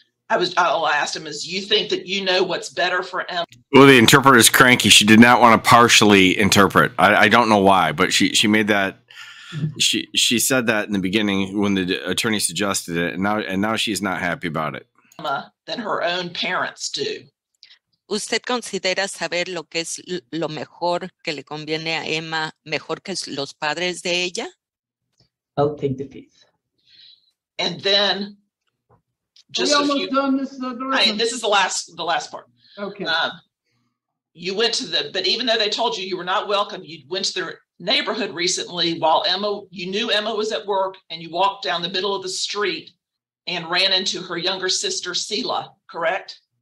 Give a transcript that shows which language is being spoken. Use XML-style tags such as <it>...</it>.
<en>I asked him, is you think that you know what's better for Emma? Well, the interpreter is cranky. She did not want to partially interpret. I don't know why, but she made that. She said that in the beginning when the attorney suggested it, and now she's not happy about it. Emma than her own parents do.</en> <es>¿Usted considera saber lo que es lo mejor que le conviene a Emma mejor que los padres de ella?</es> <en>I'll take the fifth. And then, just this is the last part. Okay. You went to the, but even though they told you you were not welcome, you went to their neighborhood recently while you knew Emma was at work, and you walked down the middle of the street and ran into her younger sister, Sila, correct?</en>